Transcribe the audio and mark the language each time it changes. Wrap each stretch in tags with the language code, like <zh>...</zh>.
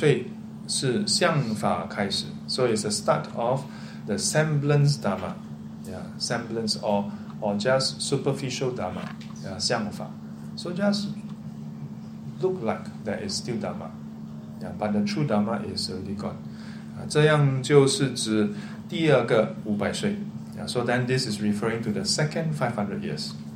<zh>第二个五百岁是相法开始.</zh> <en>So it's the start of the semblance Dhamma. Yeah, semblance or just superficial Dhamma. Yeah, 相法. So just look like that is still Dhamma. Yeah, but the true Dhamma is already gone.</en> <zh>这样就是指第二个五百岁.</zh> <en>Yeah, so then this is referring to the second 500 years.</en>